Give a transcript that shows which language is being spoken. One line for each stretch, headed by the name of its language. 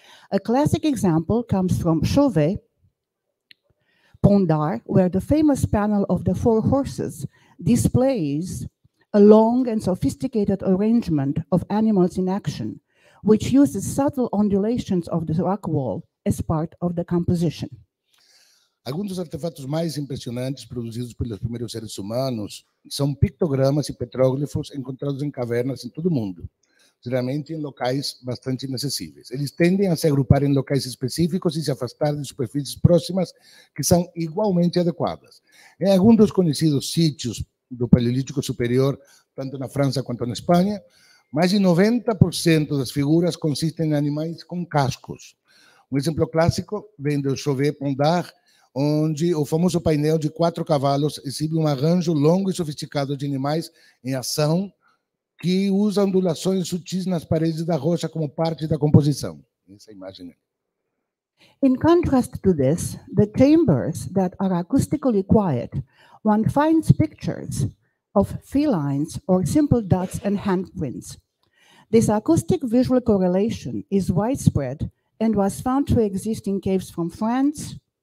English: A classic example comes from Chauvet, Pondar, where the famous panel of the four horses displays a long and sophisticated arrangement of animals in action, which uses subtle undulations of the rock wall as part of the composition.
Portuguese: Alguns dos artefatos mais impressionantes produzidos pelos primeiros seres humanos são pictogramas e petróglifos encontrados em cavernas em todo o mundo. geralmente em locais bastante inacessíveis. Eles tendem a se agrupar em locais específicos e se afastar de superfícies próximas que são igualmente adequadas. Em alguns dos conhecidos sítios do Paleolítico Superior, tanto na França quanto na Espanha, mais de 90% das figuras consistem em animais com cascos. Um exemplo clássico vem do Chauvet-Pondar, onde o famoso painel de 4 cavalos exibe um arranjo longo e sofisticado de animais em ação que usa ondulações sutis nas paredes da rocha como parte da composição. Essa imagem.
English: In contrast to this, the chambers that are acoustically quiet, one finds pictures of felines or simple dots and handprints. This acoustic visual correlation is widespread and was found to exist in caves from France.